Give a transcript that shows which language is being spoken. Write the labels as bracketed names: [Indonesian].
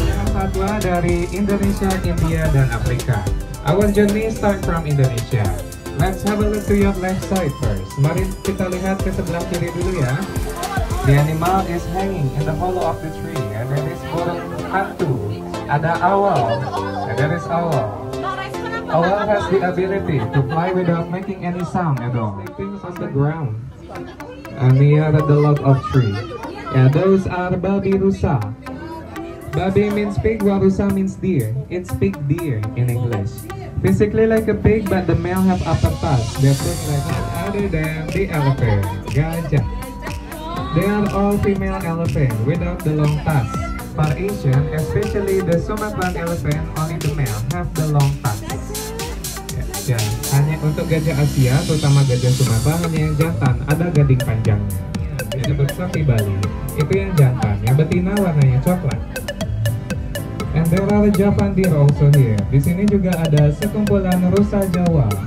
[Indonesian] Satwa dari Indonesia, India, dan Afrika. [English] Our journey start from Indonesia. Let's have a look to your left side first. [Indonesian] Mari kita lihat ke sebelah kiri dulu ya. [English] The animal is hanging in the hollow of the tree, and there is burung hantu. Ada owl, and there is owl. Owl has the ability to fly without making any sound at all. Things on the ground near the log of tree. Yeah, those are babi rusa. Babi means pig, while rusa means deer. It's pig deer in English. Physically like a pig, but the male have upper parts that look like other than the elephant, gajah. They are all female elephant without the long tusks. For Asian, especially the Sumatran elephant, only the male have the long tusks. [Indonesian] Ya, hanya untuk gajah Asia, terutama gajah Sumatera, hanya yang jantan ada gading panjangnya. Jadi seperti Bali, itu yang jantan. Yang betina warnanya coklat. [English] And there are Javan deer also here. [Indonesian] Di sini juga ada sekumpulan rusa Jawa.